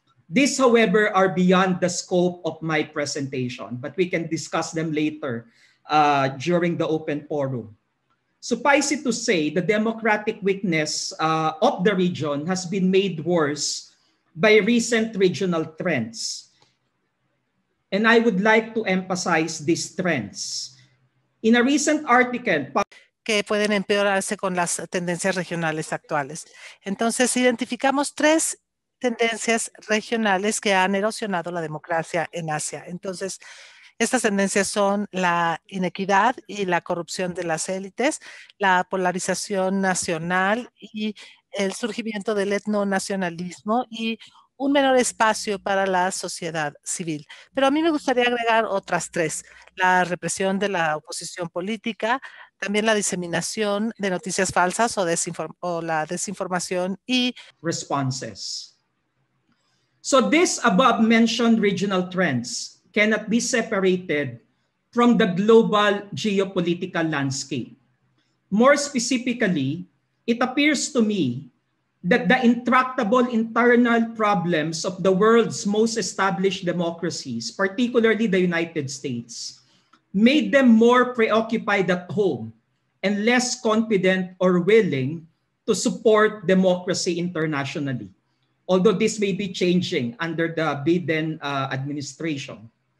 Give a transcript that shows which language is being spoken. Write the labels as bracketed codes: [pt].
[en] These, however, are beyond the scope of my presentation, but we can discuss them later during the open forum. Suffice it to say, the democratic weakness of the region has been made worse by recent regional trends. And I would like to emphasize these trends. In a recent article, [es] que pueden empeorarse con las tendencias regionales actuales. Entonces, identificamos tres tendencias regionales que han erosionado la democracia en Asia. Entonces, estas tendencias son la inequidad y la corrupción de las élites, la polarización nacional y el surgimiento del etnonacionalismo y un menor espacio para la sociedad civil. Pero a mí me gustaría agregar otras tres: la represión de la oposición política, también la diseminación de noticias falsas o la desinformación y [en] responses. So these above mentioned regional trends cannot be separated from the global geopolitical landscape. More specifically, it appears to me that the intractable internal problems of the world's most established democracies, particularly the United States, made them more preoccupied at home and less confident or willing to support democracy internationally, although this may be changing under the Biden administration.